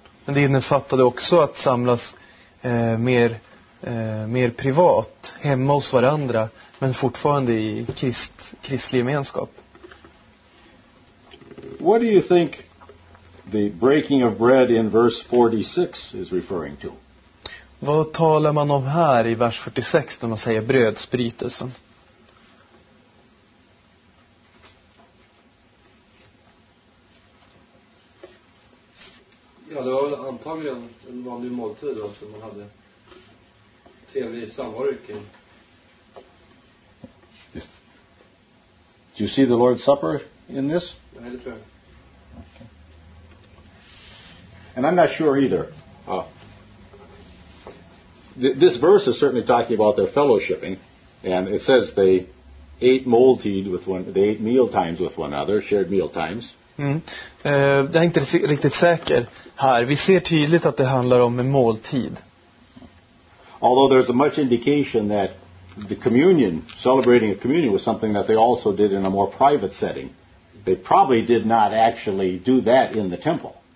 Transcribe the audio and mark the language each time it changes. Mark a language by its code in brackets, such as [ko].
[sv] Men det innefattade också att samlas mer privat hemma hos varandra, men fortfarande i kristlig gemenskap. [en] What do you think the breaking of bread in verse 46 is referring to? [sv] Vad talar man om här i vers 46 när man säger brödsbrytelsen? Ja, det var antagligen en vanlig måltid då, som man hade trevlig samvaro kring. [en] Do you see the Lord's Supper in this? [sv] Nej, det tror jag. [en] And I'm not sure either. This verse is certainly talking about their fellowshipping, and it says they ate måltid with one, they ate meal times with one another, shared meal times. [sv] Det är inte riktigt säker här. Vi ser tydligt att det handlar om en måltid. [en] Although there's a much indication that the communion, celebrating a communion, was something that they also did in a more private setting. They probably did not actually do that in the temple.